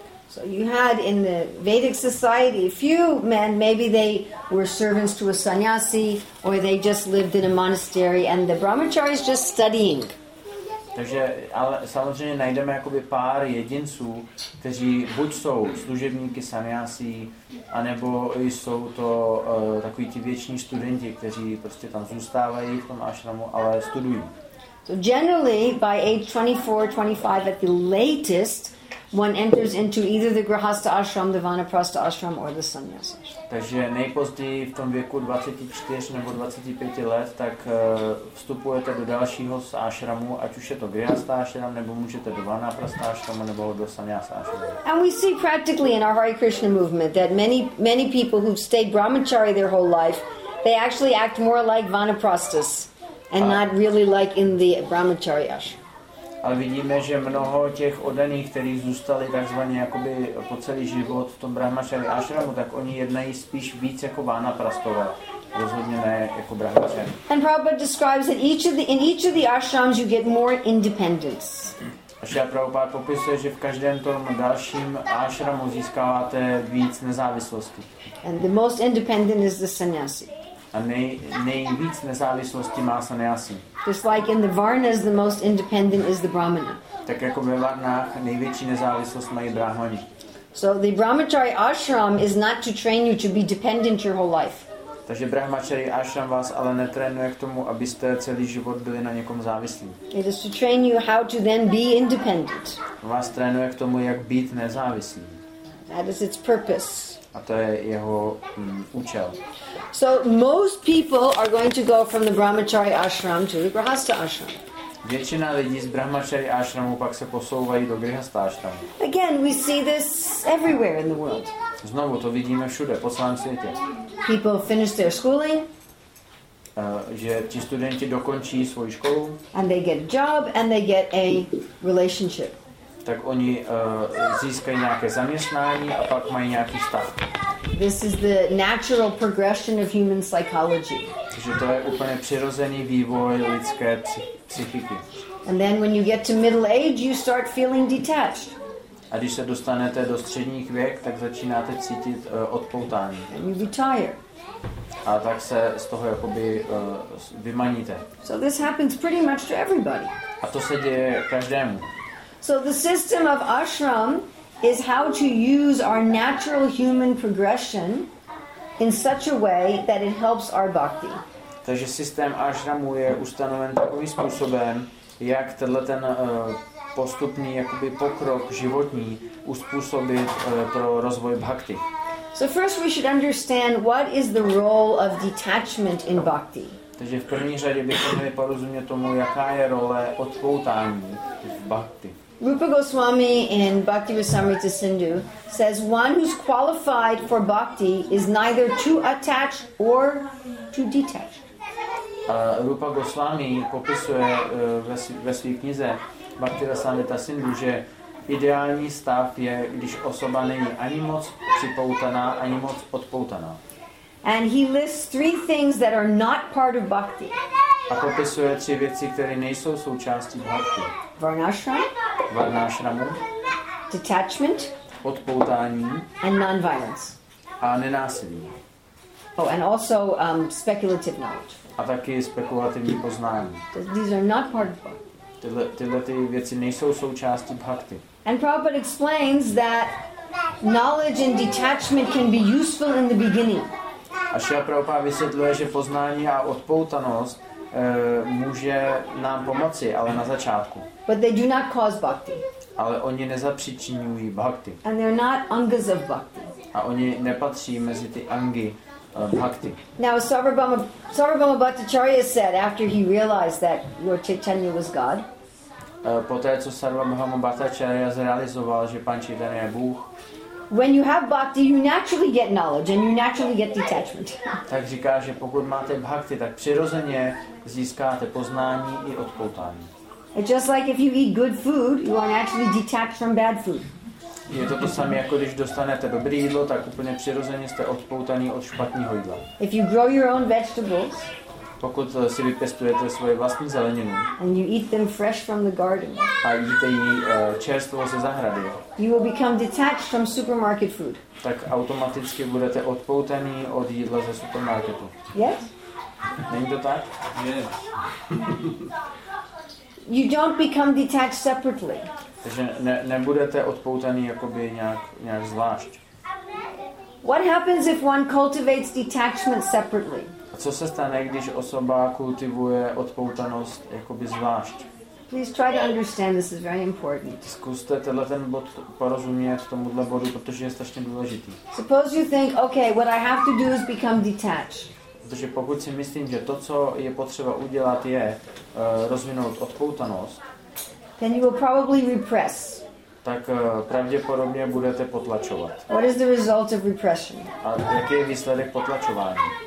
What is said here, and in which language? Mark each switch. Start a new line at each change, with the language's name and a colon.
English: So you had in the Vedic society a few men, maybe they were servants to a sannyasi or they just lived in a monastery and the brahmacharis just studying.
Czech: Takže ale samozřejmě najdeme jakoby pár jedinců, kteří buď jsou služebníky sannyasi, anebo jsou to takoví ti věční studenti, kteří prostě tam zůstávají v tom ashramu, ale studují.
English: So generally by age 24-25 at the latest one enters into either the grihastha ashram, the vanaprastha ashram or the sannyasa ashram.
Czech: Takže nejpozději v tom věku 24 nebo 25 let tak vstupujete do dalšího z ashramu, ať už je to grihastha ashram nebo můžete do vanaprastha ashramu nebo do sannyasa ashramu.
English: And we see practically in our Hare Krishna movement that many people who've stayed brahmachari their whole life, they actually act more like vanaprasthas and not really like in the brahmachari ashram.
Czech: Ale vidíme, že mnoho těch oddaných, kteří zůstali takzvaně jakoby po celý život v tom brahmachari ashramu, tak oni jednají spíš víc jako vánaprastové, rozhodně ne jako brahmachari.
English: And Prabhupada describes that in each of the ashrams you get more independence.
Czech: Šrila Prabhupada popisuje, že v každém tom dalším ashramu získáváte víc nezávislosti.
English: And the most independent is the sannyasi.
Czech: A nejvíc nezávislosti má sannyasi.
English: Just like in the varnas, the most independent is the brahmana.
Czech: Tak jako ve varnách největší nezávislost mají brahmani.
English: So the brahmachari ashram is not to train you to be dependent your whole life.
Czech: Takže brahmachari ashram vás ale netrénuje k tomu, abyste celý život byli na někom závislí.
English: It is to train you how to then be independent.
Czech: Vás trénuje k tomu, jak být nezávislí.
English: That is its purpose.
Czech: A to je jeho účel.
English: So most people are going to go from the Brahmachari ashram to the Grihastha ashram.
Czech: Většina lidí z Brahmachari ashramu pak se posouvají do Grihastha ashramu.
English: Again, we see this everywhere in the world.
Czech: Znovu to vidíme všude po celém světě.
English: People finish their schooling.
Czech: Že ti studenti dokončí svoji školu.
English: And they get a job and they get a relationship.
Czech: Tak oni získají nějaké zaměstnání a pak mají nějaký vztah.
English: This is the natural progression of human psychology.
Czech: Že to je úplně přirozený vývoj lidské psychiky.
English: And then when you get to middle age, you start feeling detached.
Czech: A když se dostanete do středních věk, tak začínáte cítit odpoutání.
English: And you retire.
Czech: A tak se z toho jakoby vymaníte.
English: So this happens pretty much to everybody.
Czech: A to se děje každému.
English: So the system of ashram is how to use our natural human progression in such a way that it helps our bhakti.
Czech: Takže systém ashramu je ustanoven takovým způsobem, jak tenhle ten postupný jakoby pokrok životní uspůsobit pro rozvoj bhakti.
English: So first we should understand what is the role of detachment in bhakti.
Czech: Takže v první řadě bychom měli porozumět tomu, jaká je role odpoutání v bhakti.
English: Rupa Goswami in Bhakti Rasamrita Sindhu says one who's qualified for bhakti is neither too attached or too detached.
Czech: Rupa Goswami popisuje ve své knize Bhakti Rasamrita Sindhu, že ideální stav je, když osoba není ani moc připoutaná, ani moc odpoutaná.
English: And he lists three things that are not part of bhakti.
Czech: A popisuje tři věci, které nejsou součástí bhakti.
English: Varnashram.
Czech: Varnashramu.
English: Detachment.
Czech: Odpoutání.
English: And non-violence.
Czech: A nenásilí.
English: Oh, and also speculative knowledge.
Czech: A taky spekulativní poznání.
English: These are not part of bhakti.
Czech: Tyhle ty věci nejsou součástí bhakti.
English: And Prabhupada explains that knowledge and detachment can be useful in the beginning.
Czech: A Šila Prabhupada vysvětluje, že poznání a odpoutanost může nám pomoci, ale na začátku.
English: But they do not cause bhakti.
Czech: Ale oni nezapříčinují bhakti.
English: And they're not angas of bhakti.
Czech: A oni nepatří mezi ty angy bhakti.
English: Now Sarvabhauma Bhattacharya said after he realized that Lord Chaitanya was God.
Czech: Poté co Sarvabhauma Bhattacharya zrealizoval, že pan Chaitanya je Bůh.
English: When you have bhakti, you naturally get knowledge and you naturally get detachment.
Czech: Tak říká, že pokud máte bhakti, tak přirozeně získáte poznání i odpoutání.
English: It's just like if you eat good food, you are naturally detached from bad food.
Czech: Je to to samé, jako když dostanete dobré jídlo, tak úplně přirozeně jste odpoutaní od špatného jídla.
English: If you grow your own vegetables,
Czech: pokud si vypěstujete svoje vlastní zeleninu,
English: and you eat them fresh from the garden,
Czech: a jíte ji čerstvo ze zahrady,
English: you will become detached from supermarket food.
Czech: Tak automaticky budete odpoutaní od jídla ze supermarketu.
English: Yes?
Czech: Není to tak?
English: Yes. You don't become detached separately.
Czech: Takže nebudete odpoutaní jakoby nějak zvlášť.
English: What happens if one cultivates detachment separately?
Czech: A co se stane, když osoba kultivuje odpoutanost jakoby zvlášť?
English: Please try to understand, this is very important.
Czech: Zkuste tenhle ten bod porozumět tomuhle bodu, protože je strašně důležitý.
English: Suppose you think, okay, what I have to do is become detached.
Czech: Protože pokud si myslím, že to, co je potřeba udělat, je rozvinout odpoutanost,
English: then you will probably repress.
Czech: Tak pravděpodobně budete potlačovat.
English: What is the result of repression?
Czech: A jaký je výsledek potlačování?